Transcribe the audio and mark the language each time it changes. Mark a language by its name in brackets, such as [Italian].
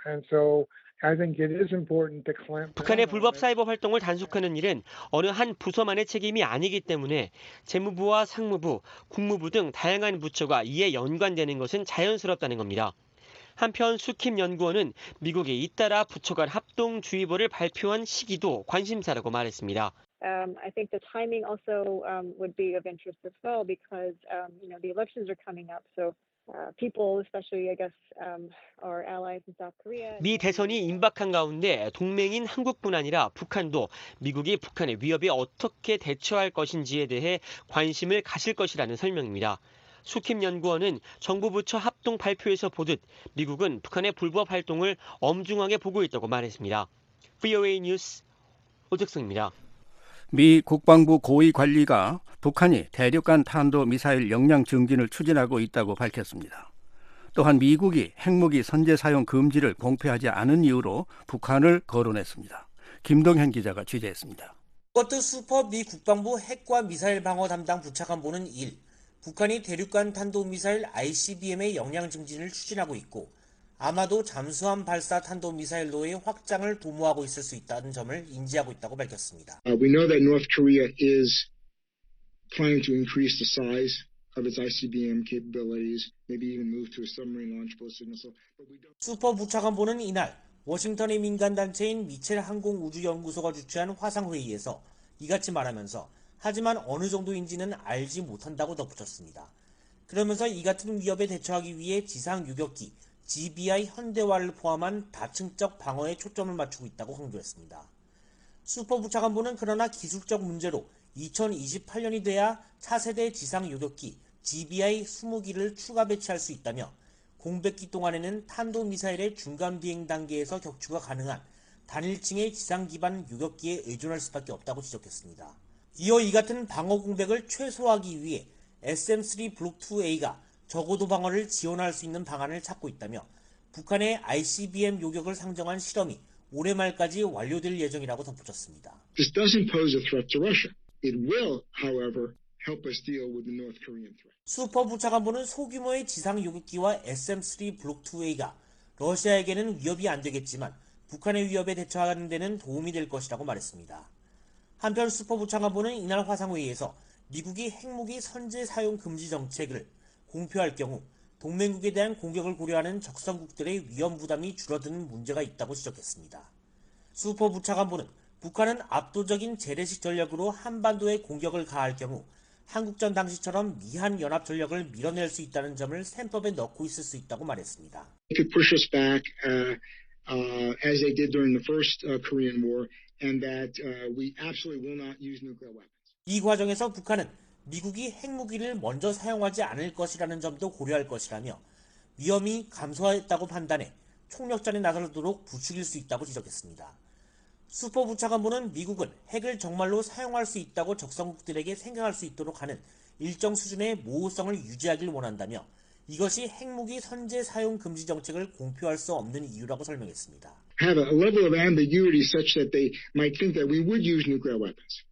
[English] And so I think it is important to clamp. [Korean] 북한의 불법 사이버 활동을 단속하는 일은 어느 한 부서만의 책임이 아니기 때문에 재무부와 상무부, 국무부 등 다양한 부처가 이에 연관되는 것은 자연스럽다는 겁니다. 한편 수킴 연구원은 미국이 잇따라 부처 간 합동 주의보를 발표한 시기도 관심사라고 말했습니다. [English] I think the timing also would be of interest as well because you know the elections are coming up so. People, especially, I guess, our allies in South Korea. [Korean] 미 대선이 임박한 가운데 동맹인 한국뿐 아니라 북한도 미국이 북한의 위협에 어떻게 대처할 것인지에 대해 관심을 가실 것이라는 설명입니다. 수킴 연구원은 정부 부처 합동 발표에서 보듯 미국은 북한의 불법 활동을 엄중하게 보고 있다고 말했습니다. VOA 뉴스 오택성입니다. 미 국방부 고위 관리가 북한이 대륙 간 탄도 미사일 역량 증진을 추진하고 있다고 밝혔습니다. 또한 미국이 핵무기 선제 사용 금지를 공표하지 않은 이유로 북한을 거론했습니다. 김동현 기자가 취재했습니다. 스코트 슈퍼 미 국방부 핵과 미사일 방어 담당 부차관보는 1. 북한이 대륙 간 탄도 미사일 ICBM의 역량 증진을 추진하고 있고 아마도 잠수함 발사 탄도 미사일로의 확장을 도모하고 있을 수 있다는 점을 인지하고 있다고 밝혔습니다. [English] We know that North Korea is trying to increase the size of its ICBM capabilities, maybe even move to a submarine launchable signal. So, but we don't. [Korean] 슈퍼 부차관보는 이날 워싱턴의 민간 단체인 미첼 항공 우주 연구소가 주최한 화상 회의에서 이같이 말하면서 하지만 어느 정도인지는 알지 못한다고 덧붙였습니다. 그러면서 이 같은 위협에 대처하기 위해 지상 유격기 GBI 현대화를 포함한 다층적 방어에 초점을 맞추고 있다고 강조했습니다. 슈퍼 부차관보는 그러나 기술적 문제로 2028년이 돼야 차세대 지상 요격기 GBI 20기를 추가 배치할 수 있다며 공백기 동안에는 탄도미사일의 중간 비행 단계에서 격추가 가능한 단일층의 지상기반 유격기에 의존할 수밖에 없다고 지적했습니다. 이어 이 같은 방어 공백을 최소화하기 위해 SM-3 블록2A가 저고도 방어를 지원할 수 있는 방안을 찾고 있다며 북한의 ICBM 요격을 상정한 실험이 올해 말까지 완료될 예정이라고 덧붙였습니다. [English] This doesn't pose a threat to Russia. It will, however, help us deal with the North Korean threat. [Korean] 슈퍼 부차관보는 소규모의 지상 요격기와 SM-3 블록2A가 러시아에게는 위협이 안 되겠지만 북한의 위협에 대처하는 데는 도움이 될 것이라고 말했습니다. 한편 슈퍼 부차관보는 이날 화상회의에서 미국이 핵무기 선제 사용 금지 정책을 공표할 경우 동맹국에 대한 공격을 고려하는 적성국들의 위험 부담이 줄어드는 문제가 있다고 지적했습니다. 슈퍼 부차관보는 북한은 압도적인 재래식 전력으로 한반도에 공격을 가할 경우 한국전 당시처럼 미한 연합 전력을 밀어낼 수 있다는 점을 셈법에 넣고 있을 수 있다고 말했습니다. [English] If you push us back as they did during the first Korean War and that we absolutely will not use nuclear weapons. [Korean] 이 과정에서 북한은 미국이 핵무기를 먼저 사용하지 않을 것이라는 점도 고려할 것이라며 위험이 감소했다고 판단해 총력전에 나서도록 부추길 수 있다고 지적했습니다. 슈퍼 부차관보는 미국은 핵을 정말로 사용할 수 있다고 적성국들에게 생각할 수 있도록 하는 일정 수준의 모호성을 유지하길 원한다며 이것이 핵무기 선제 사용 금지 정책을 공표할 수 없는 이유라고 설명했습니다. [English] Have a level of ambiguity such that they might think that we would use nuclear weapons.